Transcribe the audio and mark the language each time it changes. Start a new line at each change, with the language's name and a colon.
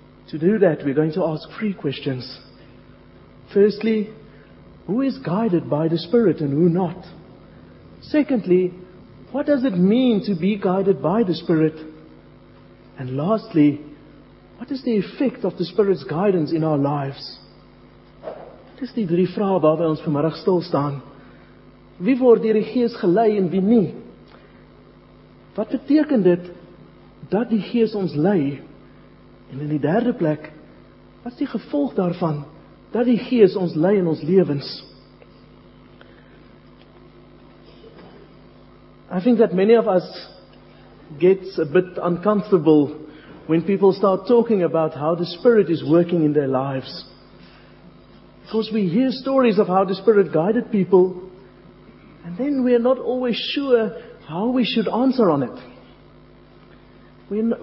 English: To do that, we're going to ask three questions. Firstly, who is guided by the Spirit and who not? Secondly, what does it mean to be guided by the Spirit? And lastly, what is the effect of the Spirit's guidance in our lives?
Afrikaans: Dit is die drie vrae waarby ons vanmiddag stil staan. Wie word deur die Gees gelei en wie nie? Wat beteken dit dat die Gees ons lei? En in die derde plek, wat is die gevolg daarvan dat die Gees ons lei in ons lewens?
English: I think that many of us gets a bit uncomfortable when people start talking about how the Spirit is working in their lives. Because we hear stories of how the Spirit guided people, and then we are not always sure how we should answer on it.